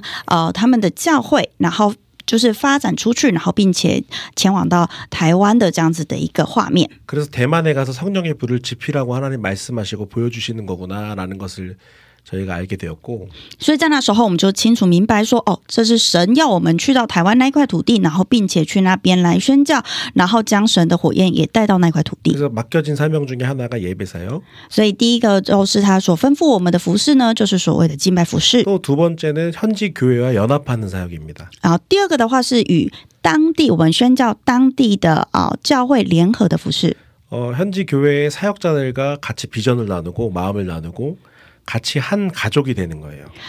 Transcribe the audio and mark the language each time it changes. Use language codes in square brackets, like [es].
[zh] 神的话呢，就是给他看了这样子的一个异象，这样子的一个复兴的圣灵的火呢，从他们的教会，然后。就是发展出去，然后并且前往到台湾的这样子的一个画面。 [ko] 그래서 대만에 가서 성령의 불을 지피라고 하나님 말씀하시고 보여주시는 거구나라는 것을 저희가 알게 되었고. [zh] 所以在那时候我们就清楚明白说，哦，这是神要我们去到台湾那块土地，然后并且去那边来宣教，然后将神的火焰也带到那块土地。 [ko] 그래서 맡겨진 사명 중에 하나가 예배사요. [zh] 所以第一个就是他所吩咐我们的服事呢，就是所谓的敬拜服事。 [ko] 또 두 번째는 현지 교회와 연합하는 사역입니다. [zh] 然后第二个的话是与 当地我们宣教当地的教会联合的服事。 [ko] 현지 교회 사역자들과 같이 비전을 나누고 마음을 나누고 같이 한 가족이 되는 거예요.